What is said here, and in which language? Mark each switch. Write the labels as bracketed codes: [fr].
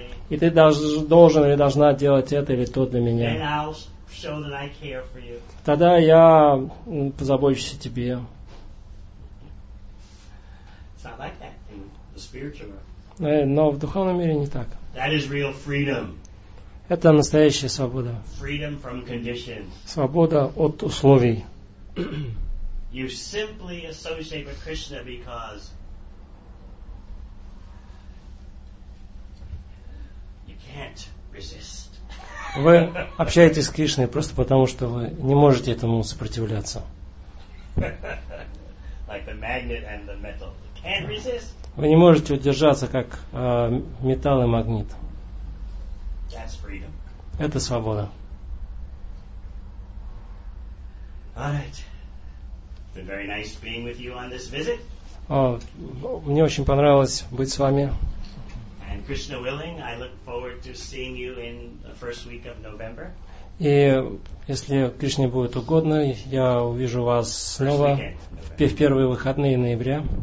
[ru] И ты должен или должна делать это или то для меня. [en] And I'll show that I care for you. [ru] Тогда я позабочусь о тебе. [en] It's not like that in the spiritual world. [ru] Но в духовном мире не так. [en] That is real freedom. [ru] Это настоящая свобода. [en] Freedom from conditions. [ru] Свобода от условий. [en] You simply associate with Krishna because you can't resist. [ru] Вы общаетесь с Кришной просто потому, что вы не можете этому сопротивляться. [en] Like the magnet and the metal. You can't resist. [ru] Вы не можете удержаться, как металл и магнит. [en] That's freedom. [ru] Это свобода. [en] All right. It's been very nice being with you on this visit. [ru] Мне очень понравилось быть с вами. [en] And Krishna willing, I look forward to seeing you in the first week of November. [ru] И если Кришне будет угодно, я увижу вас снова в первые выходные ноября.